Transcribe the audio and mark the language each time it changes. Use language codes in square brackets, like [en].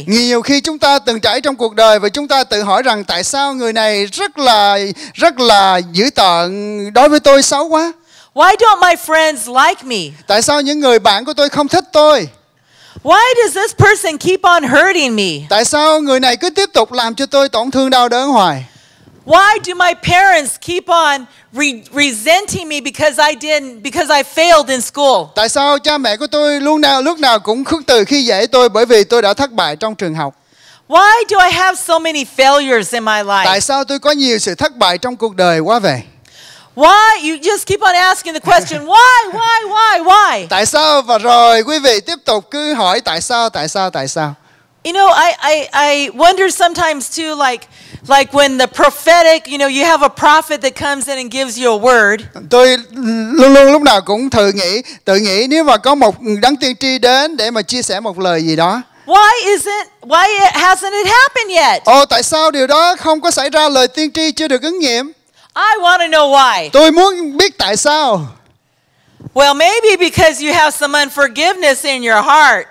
[vi] Nhiều khi chúng ta từng trải trong cuộc đời và chúng ta tự hỏi rằng tại sao người này rất là dữ tợn đối với tôi, xấu quá. [en] Why don't my friends like me? [vi] Tại sao những người bạn của tôi không thích tôi? [en] Why does this person keep on hurting me? [vi] Tại sao người này cứ tiếp tục làm cho tôi tổn thương đau đớn hoài? [en] Why do my parents keep on resenting me because I failed in school? [vi] Tại sao cha mẹ của tôi lúc nào cũng khước từ khi dạy tôi bởi vì tôi đã thất bại trong trường học? [en] Why do I have so many failures in my life? [vi] Tại sao tôi có nhiều sự thất bại trong cuộc đời quá vậy? [en] Why you just keep on asking the question? Why? [vi] Tại sao, và rồi quý vị tiếp tục cứ hỏi tại sao? [en] You know, I wonder sometimes too, like when the prophetic, you know, you have a prophet that comes in and gives you a word. [vi] Tôi luôn luôn lúc nào cũng tự nghĩ nếu mà có một đấng tiên tri đến để mà chia sẻ một lời gì đó. [en] Why hasn't it happened yet? [vi] Oh, tại sao điều đó không có xảy ra, lời tiên tri chưa được ứng nghiệm? [en] I want to know why. [vi] Tôi muốn biết tại sao. [en] Well, maybe because you have some unforgiveness in your heart.